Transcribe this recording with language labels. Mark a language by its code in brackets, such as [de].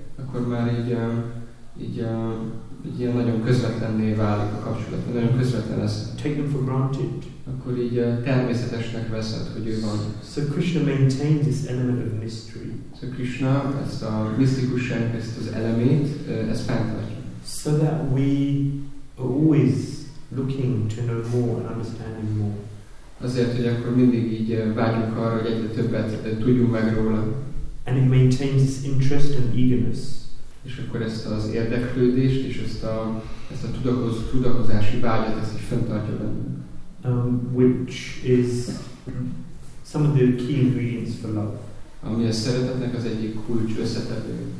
[hu] Akkor már így, így nagyon közvetlenné válik a kapcsolat, nagyon közvetlen lesz. [en] Take them for granted. [hu] Akkor így természetesnek veszed, hogy ő van. [en] So Krishna maintains this element of mystery. [hu] So Krishna ezt a misztikusság, ezt az elemét, ez fenntartja. [en] So that we are always looking to know more and understanding more. [hu] Azért, hogy akkor mindig így vágyunk arra, hogy egyre többet tudjunk meg róla. [en] And it maintains this interest and eagerness. [hu] És akkor ezt az érdeklődést és ezt a, ezt a tudakozási vágyat, ezt így fenntartja bennünk. [en] Which is some of the key ingredients for love. [hu] Ami a szeretetnek az egyik kulcs összetevő.